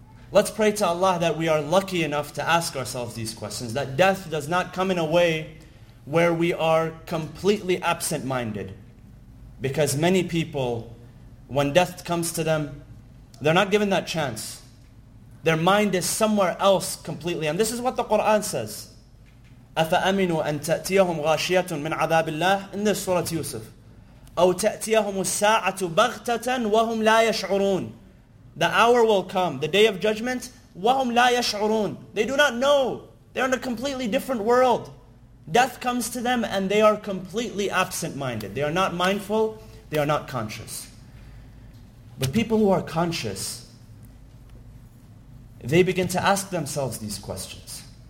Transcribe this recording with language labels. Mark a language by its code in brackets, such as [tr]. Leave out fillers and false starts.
[en] Let's pray to Allah that we are lucky enough to ask ourselves these questions, that death does not come in a way where we are completely absent-minded. Because many people, when death comes to them, they're not given that chance. Their mind is somewhere else completely. And this is what the Quran says. [ar] أَفَأَمِنُوا أَن تَأْتِيَهُمْ غَاشِيَةٌ مِّنْ عَذَابِ اللَّهِ [en] In this Surah Yusuf. [ar] أَوْ تَأْتِيَهُمُ السَّاعَةُ بَغْتَةً وَهُمْ لَا يَشْعُرُونَ [en] The hour will come, the day of judgment. [ar] وَهُمْ لَا يَشْعُرُونَ [en] They do not know. They're in a completely different world. Death comes to them and they are completely absent-minded. They are not mindful. They are not conscious. But people who are conscious, they begin to ask themselves these questions.